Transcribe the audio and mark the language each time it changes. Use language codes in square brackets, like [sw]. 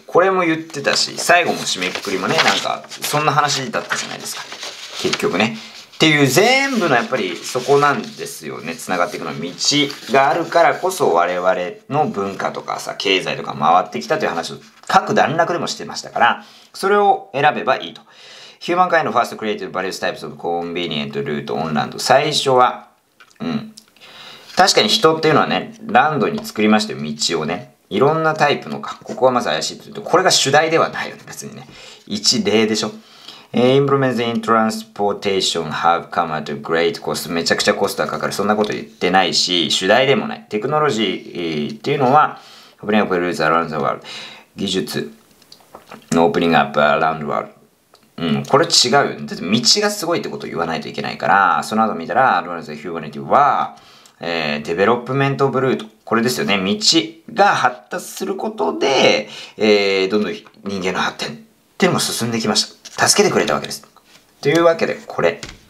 [ja] これも言ってたし、最後も締めくくりもね、なんかそんな話だったじゃないですか、結局ね、っていう全部のやっぱりそこなんですよね。繋がっていくの道があるからこそ、我々の文化とかさ、経済とか回ってきたという話を各段落でもしてましたから、それを選べばいいと。 [en] Human kind の first created various types of convenient route on land。 [ja] 最初は、うん、確かに人っていうのはね、ランドに作りましたよ、道をね。いろんなタイプのか、ここはまず怪しいというと、これが主題ではないよね、別にね。一例でしょ。 [en] Improvements in transportation have come at a great cost。 [ja] めちゃくちゃコストがかかる、そんなこと言ってないし、主題でもない。テクノロジーっていうのは、 [en] Opening up routes around the world。 [ja] 技術の [en] Opening up around the world。 [ja] うん、これ違うよ、ね。だって道がすごいってことを言わないといけないから、その後見たら、 [en] Advance of Humanity [ja] は、デベロップメントブルート。これですよね。道が発達することで、どんどん人間の発展っていうのも進んできました。助けてくれたわけです。というわけで、これ。